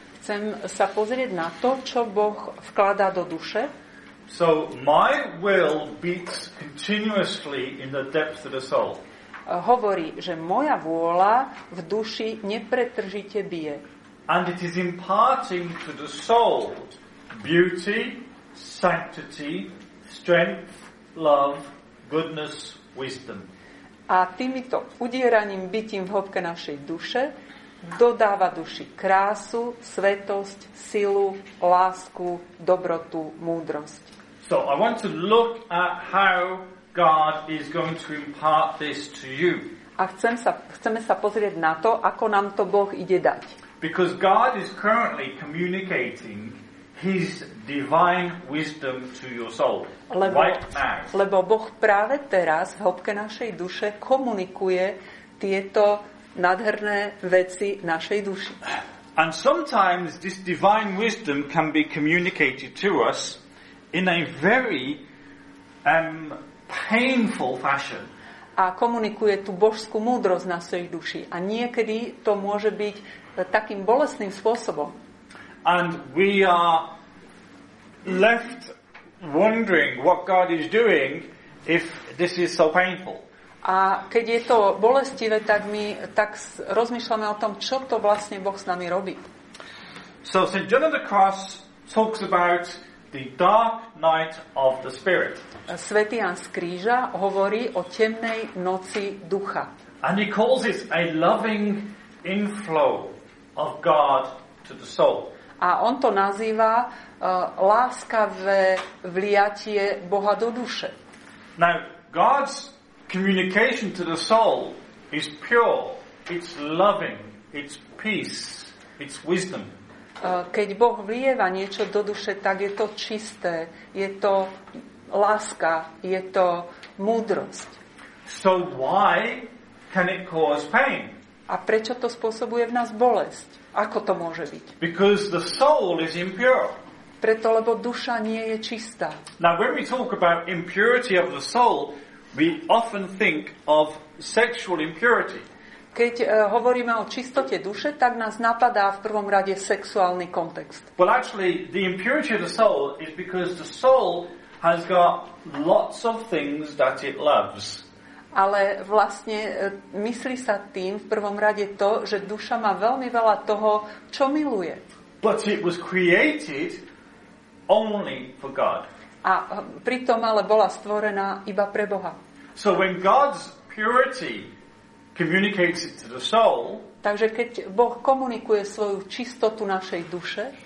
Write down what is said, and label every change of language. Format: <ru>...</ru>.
<sk>Chcem sa pozrieť na to, čo Boh vkladá do duše.</sk> <en>So my will beats continuously in the depths of the soul.</en> <sk>Hovorí, že moja vôľa v duši nepretržite bije.</sk> <en>And it is imparting to the soul beauty, sanctity, strength, love, goodness, wisdom.</en> <sk>A týmito udieraním bytím v hĺbke našej duše dodáva duši krásu, svetosť, silu, lásku, dobrotu, múdrosť.</sk> <en>So I want to look at how God is going to impart this to you.</en> <sk>A chceme sa pozrieť na to, ako nám to Boh ide dať.</sk> <en>Because God is currently communicating his divine wisdom to your soul.</en> <sk>Lebo Boh práve teraz v hĺbke našej duše komunikuje tieto nádherné veci našej duši.</sk> <en>And sometimes this divine wisdom can be communicated to us in a very painful fashion.</en> <sk>A komunikuje tú božskú múdrosť na svojej duši. A niekedy to môže byť takým bolestným spôsobom.</sk> <en>And we are left wondering what God is doing if this is so painful.</en> <sk>A keď je to bolestivé, tak my tak rozmýšľame o tom, čo to vlastne Boh s nami robí.</sk> <en>So St. John of the Cross talks about the dark night of the spirit.</en> <sk>Svätý Ján z Kríža hovorí o temnej noci ducha.</sk> <en>And he calls it a loving inflow of God to the soul.</en> <sk>A on to nazýva láskavé vliatie Boha do duše.</sk> <en>Now, God's communication to the soul is pure, it's loving, it's peace, it's wisdom.</en> <sk>Keď Boh vlieva niečo do duše, tak je to čisté, je to láska, je to múdrosť.</sk> <en>So why can it cause pain?</en> <sk>A prečo to spôsobuje v nás bolesť? Ako to môže byť?</sk> <en>Because the soul is impure.</en> <sk>Preto, lebo duša nie je čistá.</sk> <en>Now when we talk about impurity of the soul, we often think of sexual impurity.</en> <sk>Keď hovoríme o čistote duše, tak nás napadá v prvom rade sexuálny kontext.</sk> <en>But actually, the impurity of the soul is because the soul has got lots of things that it loves.</en> <sk>Ale vlastne myslí sa tým v prvom rade to, že duša má veľmi veľa toho, čo miluje.</sk> <en>But it was created only for God.</en> <sk>A pritom ale bola stvorená iba pre Boha.</sk> <en>So when God's purity communicates it to the soul.</en> <sk>Takže keď Boh komunikuje svoju čistotu našej duše,</sk>